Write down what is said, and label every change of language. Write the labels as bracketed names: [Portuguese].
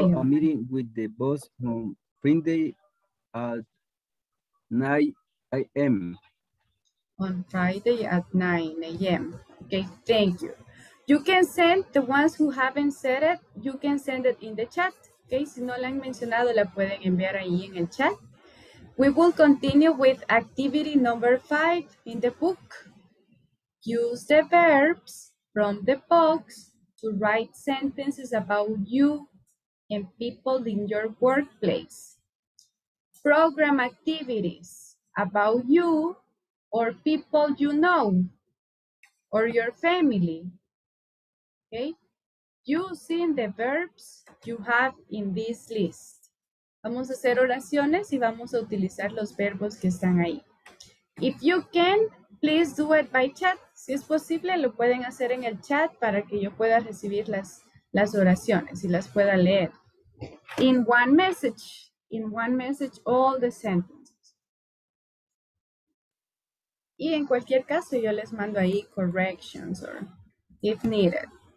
[English] A meeting with the boss on Friday at 9 a.m. On Friday at 9 a.m. Okay, thank you. You can send the ones who haven't said it, you can send it in the chat. [Spanish] Okay, si no la han mencionado, la pueden enviar ahí en el chat. [English] We will continue with activity number 5 in the book. Use the verbs from the box to write sentences about you and people in your workplace. Program activities about you or people you know or your family. Okay. Using the verbs you have in this list. [Spanish] Vamos a hacer oraciones y vamos a utilizar los verbos que están ahí. [English] If you can, please do it by chat. [Spanish] Si es posible, lo pueden hacer en el chat para que yo pueda recibir las oraciones y las pueda leer. [English] In one message, all the sentences. [Spanish] Y en cualquier caso, yo les mando ahí [English] corrections or if needed.